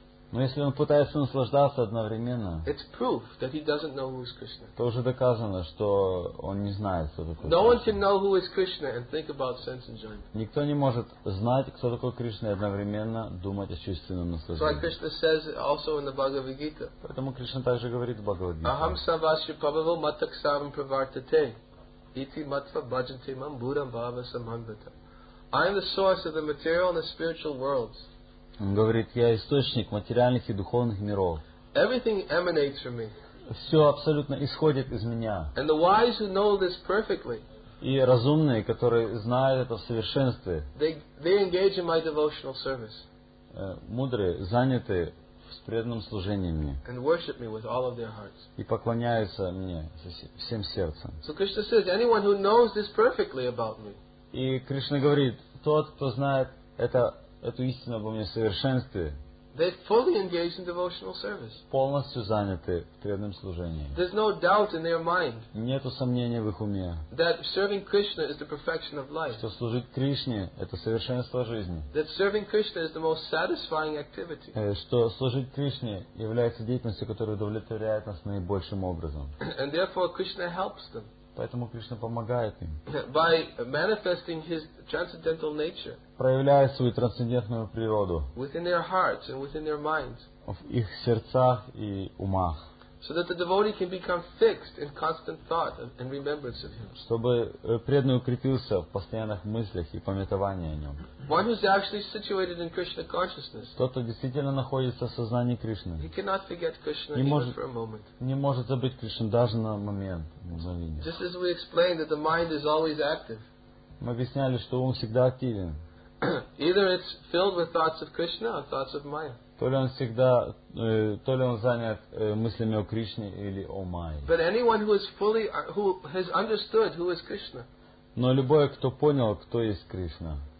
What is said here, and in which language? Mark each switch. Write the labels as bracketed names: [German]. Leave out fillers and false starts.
[Russian] но если он пытается наслаждаться одновременно, [English] it's proof that he doesn't know who is Krishna. [Russian] То уже доказано, что он не знает, кто такой. [English] No one can know who is Krishna and think about sense enjoyment. [Russian] Никто не может знать, кто такой Кришна, и одновременно думать о чувственном наслаждении. [English] So Krishna says also in the Bhagavad Gita. [Russian] Поэтому Кришна также говорит в Бхагавад Гите. [Sanskrit] Aham savasya prabhavo matak savam pravartate iti matva bhajante mam buddham bhava samangata. [English] I am the source of the material and the spiritual worlds. [Russian] Он говорит, я источник материальных и духовных миров. [English] Everything emanates from me. [Russian] Все абсолютно исходит из меня. [English] And the wise who know this perfectly, [Russian] и разумные, которые знают это в совершенстве, [English] they engage in my devotional service. [Russian] Мудрые заняты с преданным служением мне. [English] And worship me with all of their hearts. [Russian] И поклоняются мне всем сердцем. [English] So Krishna says, anyone who knows this perfectly about me, [Russian] и Кришна говорит, тот, кто знает это эту истину обо мне в совершенстве, [English] they fully engage in devotional service. [Russian] Полностью заняты в преданном служении. [English] There's no doubt in their mind, [Russian] нету сомнения в их уме, [English] that serving Krishna is the perfection of life. [Russian] Что служить Кришне – это совершенство жизни. [English] That serving Krishna is the most satisfying activity. [Russian] Что служить Кришне является деятельностью, которая удовлетворяет нас наибольшим образом. [English] And therefore Krishna helps them. [Russian] Поэтому Кришна помогает им. [English] By manifesting his transcendental nature, [Russian] проявляя свою трансцендентную природу [English] within their hearts and within their minds, [Russian] в их сердцах и умах, [English] so that the devotee can become fixed in constant thought and remembrance of him. [Russian] Чтобы преданный укрепился в постоянных мыслях и памятовании о нем. [English] One who is actually situated in Krishna consciousness, [Russian] тот, кто действительно находится в сознании Кришны, [English] he cannot forget Krishna even for a moment. [Russian] Не может забыть Кришну даже на момент, на мгновение. [English] Just as we explained that the mind is always active. [Russian] Мы объясняли, что ум всегда активен. [English] Either it's filled with thoughts of Krishna or thoughts of Maya. [Russian] То ли он всегда, то ли он занят мыслями о Кришне или о Майе. [English] But anyone who is fully, who has understood who is Krishna. [Russian] Но любой, кто понял, кто есть Кришна.